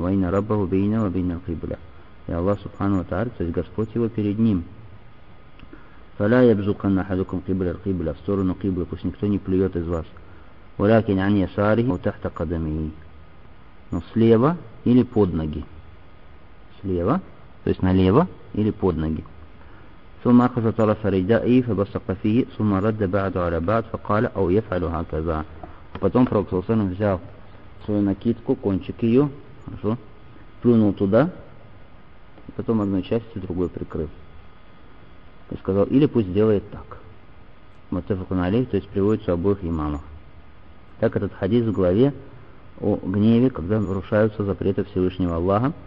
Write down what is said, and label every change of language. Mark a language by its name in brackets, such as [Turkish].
[Arabic] Ва инна раббаху бейна ва бейна аль-кибля. [Russian] И Аллах Субхану ва Тааля, то есть Господь его перед ним. [Arabic] Фаля ябзуканна ахадукум кибля аль-кибля, [Russian] в сторону кибля, пусть никто не плюет из вас. [Arabic] Валякин ан ясарихи ва тахта кадамихи. [Russian] Но слева или под ноги. Слева, то есть налево или под ноги. [Arabic] ثم أخذ طرف ردائه فبصق فيه ثم رد بعد على بعد فقال أو يفعل هكذا. [Russian] Потом пророк Саусану взял свою накидку, кончик ее, хорошо, плюнул туда, потом одной частью другой прикрыл. И сказал, или пусть делает так. Муттафакун алейх, то есть приводится у обоих имамов. Так этот хадис в главе о гневе, когда нарушаются запреты Всевышнего Аллаха.